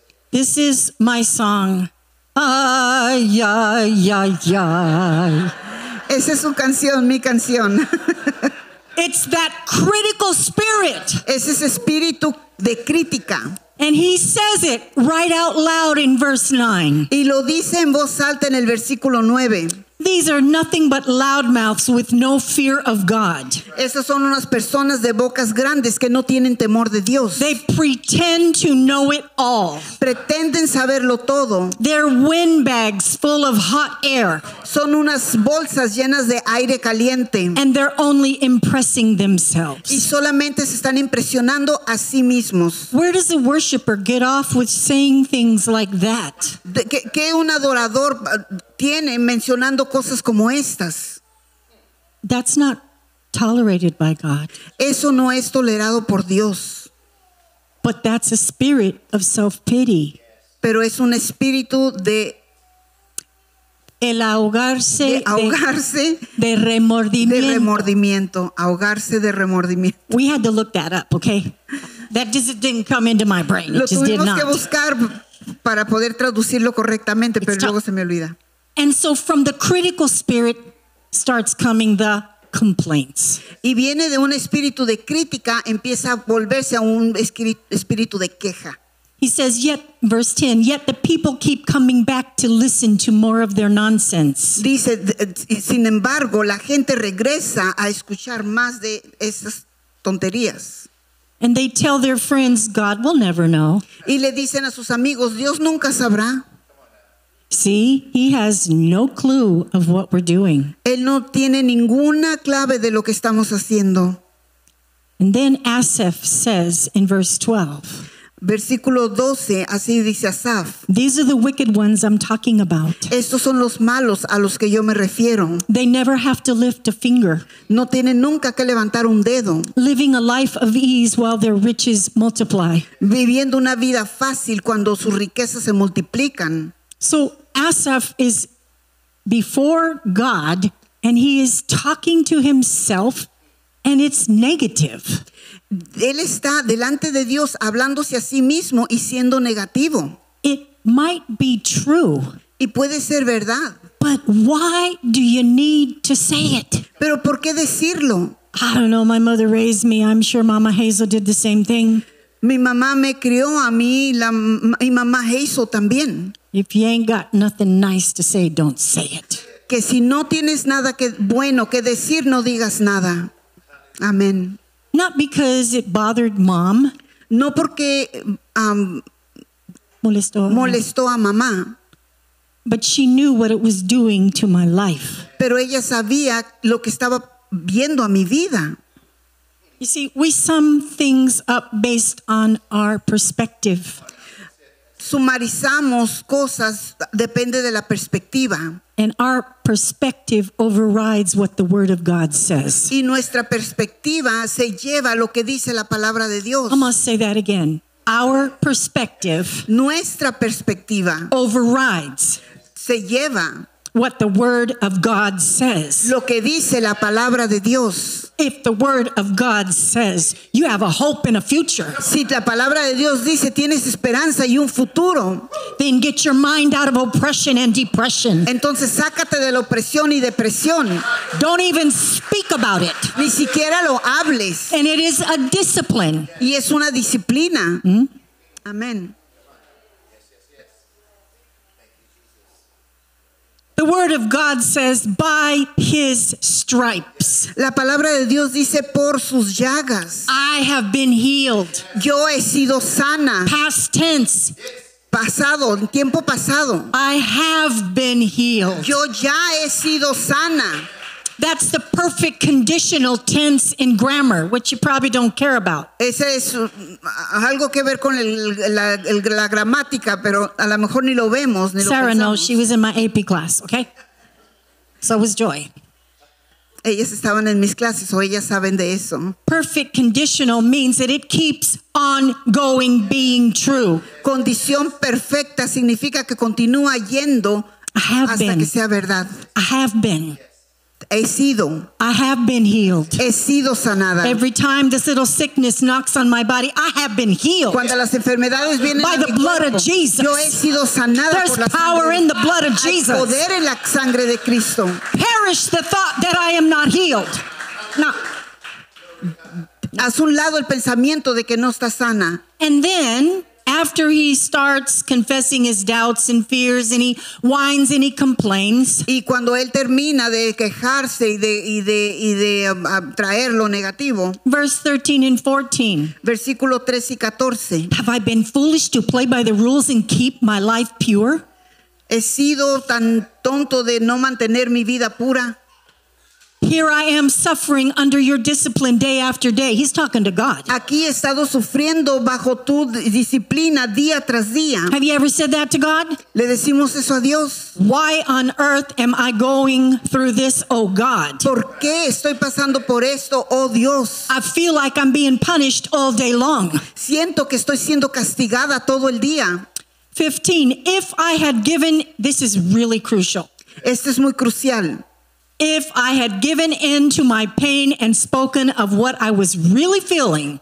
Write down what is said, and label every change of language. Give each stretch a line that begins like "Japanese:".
English: This is my song. Ay, ay, ay, ay.
Spanish: Esa es su canción, mi canción.
English: It's that critical spirit.
Spanish: Es ese espíritu de crítica.
English: And he says it right out loud in verse 9.
Spanish: Y lo dice en voz alta en el versículo 9.
English: These are nothing but loudmouths with no fear of God.
Spanish: Esas son unas personas de bocas grandes que no tienen temor de Dios.
English: They pretend to know it all.
Spanish: Pretenden saberlo todo.
English: They're windbags full of hot air.
Spanish: Son unas bolsas llenas de aire caliente.
English: And they're only impressing themselves.
Spanish: Y solamente se están impresionando a sí mismos.
English: Where does a worshiper get off with saying things like that?
Spanish: ¿Qué un adorador tiene mencionando cosas como estas?
English: That's not tolerated by God.
Spanish: Eso no es tolerado por Dios.
English: But that's a spirit of self-pity.
Spanish: Pero es un espíritu de el ahogarse, de ahogarse de remordimiento. De remordimiento, ahogarse de remordimiento.
English: We had to look that up, okay? That just didn't come into my brain. It
Spanish: lo
English: just
Spanish: tuvimos
English: did not.
Spanish: Que buscar para poder traducirlo correctamente, pero luego se me olvida.
English: And so from the critical spirit starts coming the complaints.
Spanish: Y viene de un espíritu de crítica, empieza a volverse a un espíritu de queja.
English: He says, yet, verse 10, yet the people keep coming back to listen to more of their nonsense.
Spanish: Dice, sin embargo, la gente regresa a escuchar más de esas tonterías.
English: And they tell their friends, God will never know.
Spanish: Y le dicen a sus amigos, Dios nunca sabrá.
English: See, he has no clue of what we're doing.
Spanish: Él no tiene ninguna clave de lo que estamos haciendo.
English: And then Asaph says in verse 12.
Spanish: Versículo 12, así dice Asaph.
English: These are the wicked ones I'm talking about.
Spanish: Estos son los malos a los que yo me refiero.
English: They never have to lift a finger.
Spanish: No tienen nunca que levantar un dedo.
English: Living a life of ease while their riches multiply.
Spanish: Viviendo una vida fácil cuando sus riquezas se multiplican.
English: So Asaph is before God and he is talking to himself and it's negative.
Spanish: Él está delante de Dios hablándose a sí mismo y siendo negativo.
English: It might be true.
Spanish: Y puede ser verdad.
English: But why do you need to say it?
Spanish: ¿Pero por qué decirlo?
English: I don't know, my mother raised me. I'm sure Mama Hazel did the same thing.
Spanish: Mi mamá me crió a mí, mi mamá Hazel también.
English: If you ain't got nothing nice to say, don't say it.
Spanish: Que si no tienes nada que bueno que decir, no digas nada. Amén.
English: Not because it bothered mom.
Spanish: No porque molestó a mamá.
English: But she knew what it was doing to my life.
Spanish: Pero ella sabía lo que estaba viendo a mi vida.
English: You see, we sum things up based on our perspective.
Spanish: Sumarizamos cosas depende de la perspectiva.
English: And our perspective overrides what the word of God says.
Spanish: Y nuestra perspectiva se lleva lo que dice la palabra de Dios.
English: I must say that again. Our perspective,
Spanish: nuestra perspectiva,
English: overrides,
Spanish: se lleva
English: what the word of God says.
Spanish: Lo que dice la palabra de Dios.
English: If the word of God says you have a hope and a future.
Spanish: Si la palabra de Dios dice tienes esperanza y un futuro.
English: Then get your mind out of oppression and depression.
Spanish: Entonces sácate de la opresión y depresión.
English: Don't even speak about it.
Spanish: Ni siquiera lo hables.
English: And it is a discipline.
Spanish: Y es una disciplina. Amén.
English: The word of God says, by his stripes.
Spanish: La palabra de Dios dice, por sus llagas.
English: I have been healed.
Spanish: Yo he sido sana.
English: Past tense.
Spanish: Pasado, tiempo pasado.
English: I have been healed.
Spanish: Yo ya he sido sana.
English: That's the perfect conditional tense in grammar, which you probably don't care about.
Spanish: Ese es algo que ver con la gramática, pero a lo mejor ni lo vemos, ni lo pensamos.
English: Sarah knows, she was in my AP class, okay? So was Joy.
Spanish: Ellas estaban en mis clases, o ellas saben de eso.
English: Perfect conditional means that it keeps on going being true.
Spanish: Condición perfecta significa que continúa yendo hasta
English: been.
Spanish: Que sea verdad.
English: I have been.
Spanish: He sido.
English: I have been healed.
Spanish: He sido sanada.
English: Every time this little sickness knocks on my body, I have been healed.
Spanish: Cuando las enfermedades vienen
English: by the blood
Spanish: cuerpo,
English: of Jesus.
Spanish: Yo he sido sanada.
English: There's
Spanish: por la
English: power
Spanish: sangre.
English: In the blood of Jesus.
Spanish: Hay poder en la sangre de Cristo.
English: Perish the thought that I am not healed.
Spanish: No. Haz un lado el pensamiento de que no está sana.
English: And then after he starts confessing his doubts and fears and he whines and he complains.
Spanish: Y cuando él termina de quejarse y de traer lo negativo.
English: Verse 13 and 14.
Spanish: Versículo 13 y 14.
English: Have I been foolish to play by the rules and keep my life pure?
Spanish: He sido tan tonto de no mantener mi vida pura.
English: Here I am suffering under your discipline day after day. He's talking to God.
Spanish: Aquí he estado sufriendo bajo tu disciplina día tras día.
English: Have you ever said that to God?
Spanish: Le decimos eso a Dios.
English: Why on earth am I going through this, oh God?
Spanish: ¿Por qué estoy pasando por esto, oh Dios?
English: I feel like I'm being punished all day long.
Spanish: Siento que estoy siendo castigada todo el día.
English: 15. If I had given, this is really crucial.
Spanish: Esto es muy crucial.
English: If I had given in to my pain and spoken of what I was really feeling,